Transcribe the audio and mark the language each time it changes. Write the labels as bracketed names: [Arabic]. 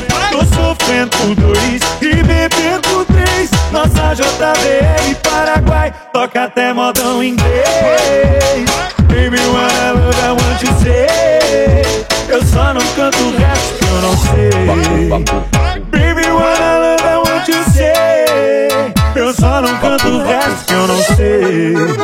[Portuguese] Tô sofrendo por dois e bebendo por três. Nossa JBL Paraguai, toca até modão inglês. [English] Baby, what I love, I want to say. [Portuguese] Eu só não canto o resto que eu não sei. [English] Baby, what I love, I want to say. [Portuguese] Eu só não canto o resto que eu não sei.